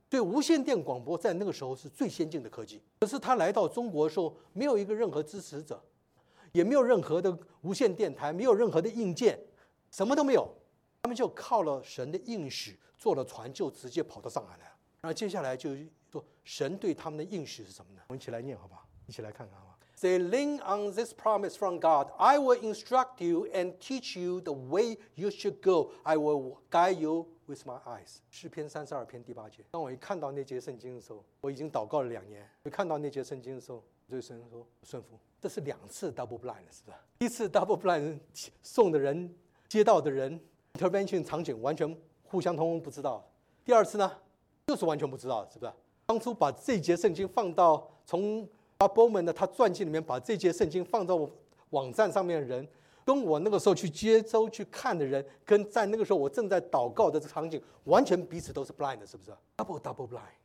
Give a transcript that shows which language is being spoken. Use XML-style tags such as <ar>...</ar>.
<zh>对，无线电广播在那个时候是最先进的科技，可是他来到中国的时候没有一个任何支持者，也没有任何的无线电台，没有任何的硬件，什么都没有，他们就靠了神的应许坐了船就直接跑到上海来了。然后接下来就说神对他们的应许是什么呢？我们一起来念好不好？一起来看看好吗？</zh> <en>They lean on this promise from God. I will instruct you and teach you the way you should go. I will guide you with my eyes.</en> <zh>诗篇32篇第八节。当我一看到那节圣经的时候，我已经祷告了两年。一看到那节圣经的时候，对神说顺服。这是两次 double blind 是吧？第一次 double blind 送的人接到的人。 Intervention 场景完全互相通不知道，第二次呢就是完全不知道，是不是当初把这节圣经放到从 Bob Bowman 的他传记里面把这节圣经放到网站上面的人，跟我那个时候去接收去看的人，跟在那个时候我正在祷告的场景完全彼此都是 blind 的，是不是 double double blind。</zh>